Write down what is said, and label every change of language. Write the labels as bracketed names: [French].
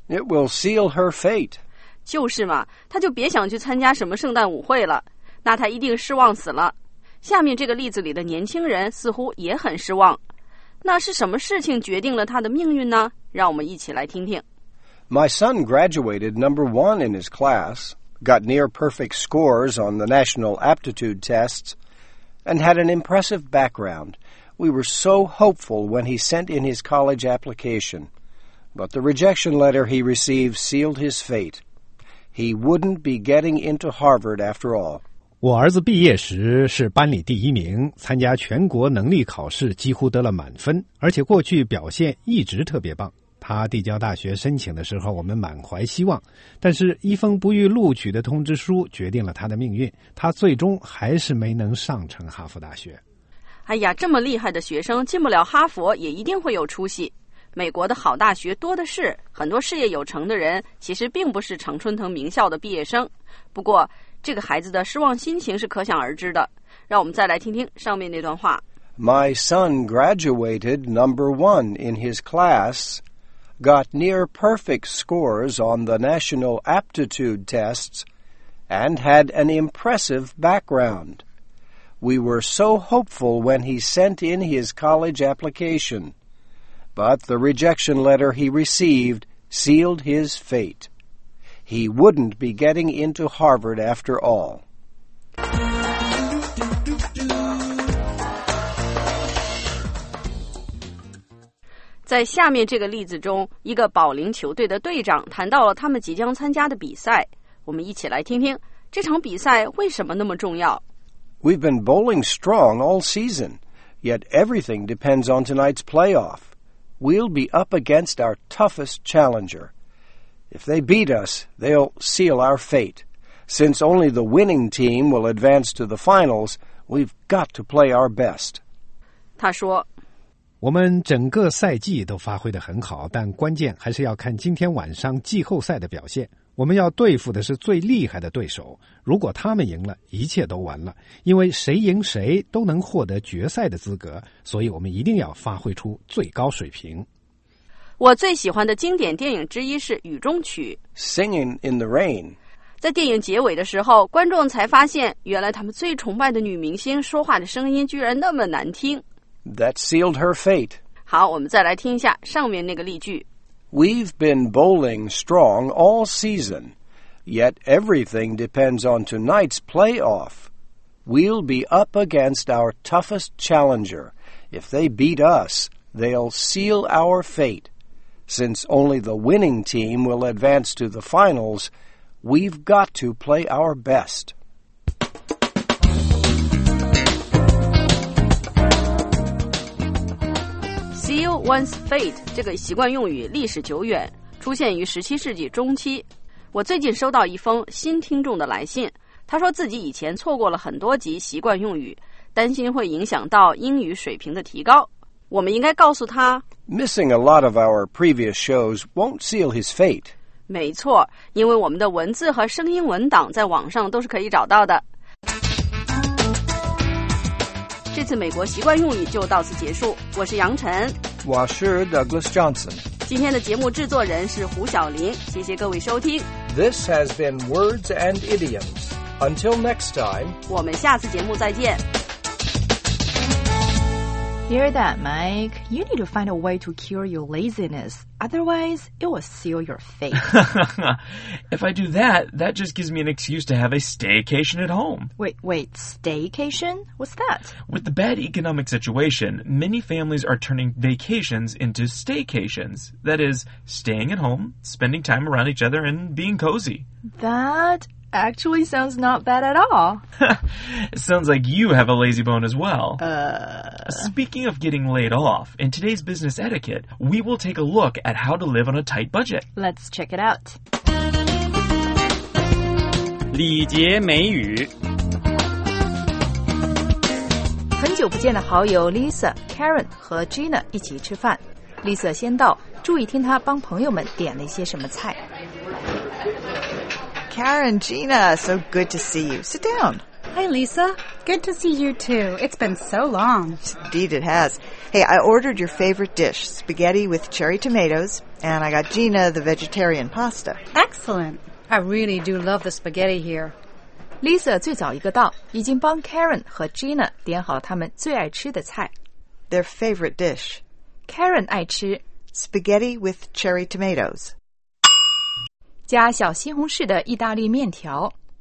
[English] It will seal her fate [Chinese] 就是嘛她就别想去参加什么圣诞舞会了那她一定失望死了下面这个例子里的年轻人似乎也很失望那是什么事情决定了她的命运呢让我们一起来听听 [English] My son graduated number one in his class got near perfect scores on the national aptitude tests and had an impressive backgroundWe were so hopeful when he sent in his college application. But the rejection letter he received sealed his fate. He wouldn't be getting into Harvard after all. [Chinese] 我儿子毕业时是班里第一名，参加全国能力考试几乎得了满分，而且过去表现一直特别棒。他递交大学申请的时候，我们满怀希望，但是一封不予录取的通知书决定了他的命运，他最终还是没能上成哈佛大学。哎呀，这么厉害的学生进不了哈佛，也一定会有出息。美国的好大学多的是，很多事业有成的人其实并不是常春藤名校的毕业生。不过，这个孩子的失望心情是可想而知的。让我们再来听听上面那段话。 [English] My son graduated number one in his class, got near perfect scores on the national aptitude tests, and had an impressive background. We were so hopeful when he sent in his college application. But the rejection letter he received sealed his fate. He wouldn't be getting into Harvard after all. [Chinese] 在下面这个例子中，一个保龄球队的队长谈到了他们即将参加的比赛。我们一起来听听，这场比赛为什么那么重要？ [English] We've been bowling strong all season, yet everything depends on tonight's playoff. We'll be up against our toughest challenger. If they beat us, they'll seal our fate. Since only the winning team will advance to the finals, we've got to play our best. [Chinese] 他说，我们整个赛季都发挥得很好，但关键还是要看今天晚上季后赛的表现。我们要对付的是最厉害的对手，如果他们赢了，一切都完了，因为谁赢谁都能获得决赛的资格，所以我们一定要发挥出最高水平。我最喜欢的经典电影之一是《雨中曲》 [English] Singing in the Rain。 [Chinese] 在电影结尾的时候，观众才发现原来他们最崇拜的女明星说话的声音居然那么难听。 [English] That sealed her fate。 [Chinese] 好，我们再来听一下上面那个例句。 [English] We've been bowling strong all season, yet everything depends on tonight's playoff. We'll be up against our toughest challenger. If they beat us, they'll seal our fate. Since only the winning team will advance to the finals, we've got to play our best. [Chinese] 'One's fate' 这个习惯用语历史久远，出现于17世纪中期。我最近收到一封新听众的来信，他说自己以前错过了很多集习惯用语，担心会影响到英语水平的提高。我们应该告诉他 [English] ，Missing a lot of our previous shows won't seal his fate。 [Chinese] 没错，因为我们的文字和声音文档在网上都是可以找到的。这次美国习惯用语就到此结束，我是杨晨。我是 Douglas Johnson。今天的节目制作人是胡晓林，谢谢各位收听。 [English] This has been Words and Idioms. Until next time, [Chinese] 我们下次节目再见。 [English] Hear that, Mike? You need to find a way to cure your laziness. Otherwise, it will seal your fate. If I do that, that just gives me an excuse to have a staycation at home. Wait, staycation? What's that? With the bad economic situation, many families are turning vacations into staycations. That is, staying at home, spending time around each other, and being cozy. That actually sounds not bad at all. It sounds like you have a lazy bone as well. Speaking of getting laid off, in today's business etiquette, we will take a look at how to live on a tight budget. Let's check it out. [Chinese] 礼节美语。很久不见的好友 Lisa, Karen 和 Gina 一起吃饭。 Lisa 先到，注意听她帮朋友们点了一些什么菜。 [English] Karen, Gina, so good to see you. Sit down. Hi, Lisa. Good to see you, too. It's been so long. Indeed it has. Hey, I ordered your favorite dish, spaghetti with cherry tomatoes, and I got Gina the vegetarian pasta. Excellent. I really do love the spaghetti here. [Chinese] Lisa 最早一个到，已经帮 Karen 和 Gina 点好他们最爱吃的菜。 [English] Their favorite dish. [Chinese] Karen 爱吃 [English] spaghetti with cherry tomatoes. [Chinese] 加小西红柿的意大利面条。